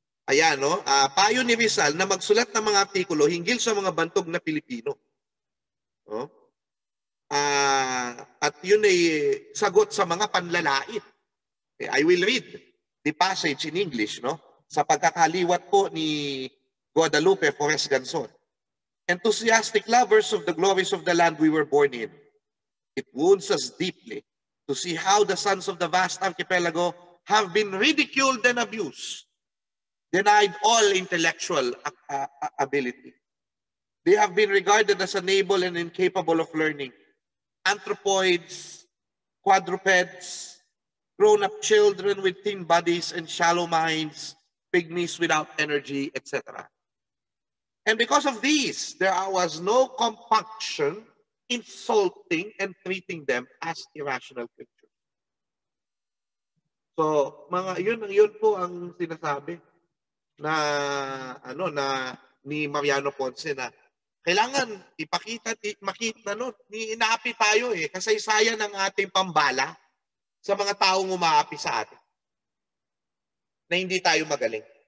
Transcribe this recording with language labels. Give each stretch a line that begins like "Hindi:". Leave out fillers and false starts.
Filipino: Ayan, no? Payo ni Rizal na magsulat ng mga artikulo hinggil sa mga bantog na Pilipino. No? At yun ay sagot sa mga panlalait.
English: I will read the passage in English, no?
Filipino: Sa pagkakaliwat po ni
English: Guadalupe Forest Ganson. Enthusiastic lovers of the glories of the land we were born in, it wounds us deeply to see how the sons of the vast archipelago have been ridiculed and abused, denied all intellectual ability. They have been regarded as unable and incapable of learning. Anthropoids, quadrupeds, grown-up children with thin bodies and shallow minds, pygmies without energy, etc. And because of these, there was no compunction insulting and treating them as irrational creatures.
Filipino: So, mga yun po ang sinasabi na ano na ni Mariano Ponce na kailangan ipakita, makita, no? Inaapi tayo eh. Kasaysayan ang ating pambala sa mga taong umaapi sa atin. Na hindi tayo magaling.